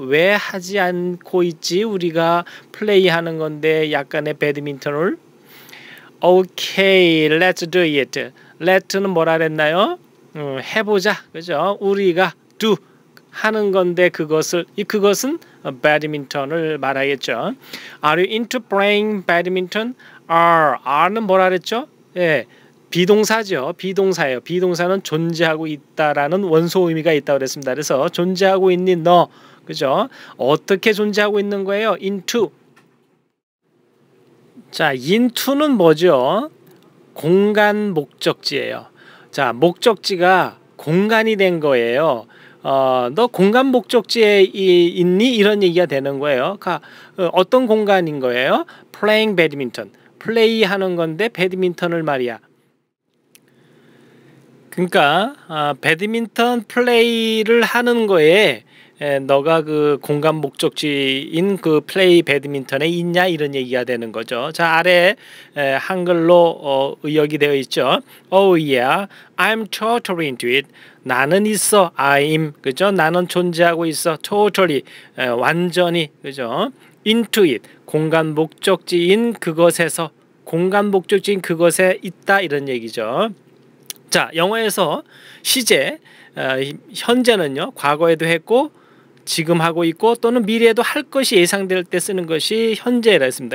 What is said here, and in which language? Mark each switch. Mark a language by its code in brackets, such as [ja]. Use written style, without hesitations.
[ko] 왜 하지 않고 있지 우리가 플레이하는 건데 약간의 배드민턴을. [en] Okay, let's do it. [ko] Let는 뭐라 그랬나요? 해보자, 그죠? 우리가 do 하는 건데 그것을, 이 그것은 배드민턴을 말하겠죠. [en] Are you into playing badminton? [ko] Are는 뭐라 그랬죠? 예, 비동사죠. 비동사예요. 비동사는 존재하고 있다라는 원소 의미가 있다고 그랬습니다. 그래서 존재하고 있니 너, 그죠? 어떻게 존재하고 있는 거예요? [en] Into. [ko] 자, into는 뭐죠? 공간 목적지예요. 자, 목적지가 공간이 된 거예요. 너 공간 목적지에 있니? 이런 얘기가 되는 거예요. 어떤 공간인 거예요? [en] Playing badminton. [ko] 플레이 하는 건데 배드민턴을 말이야. 그러니까 배드민턴 플레이를 하는 거에 너가 그 공간 목적지인 그 플레이 배드민턴에 있냐? 이런 얘기가 되는 거죠. 자, 아래 한글로 의역이 되어 있죠. [en] Oh yeah, I'm totally into it. [ko] 나는 있어. I'm, 그죠? 나는 존재하고 있어. Totally, 완전히, 그죠? [en] Into it, [ko] 공간 목적지인 그것에서, 공간 목적지인 그것에 있다, 이런 얘기죠. 자, 영어에서 시제, 현재는요, 과거에도 했고 지금 하고 있고 또는 미래에도 할 것이 예상될 때 쓰는 것이 현재라 했습니다.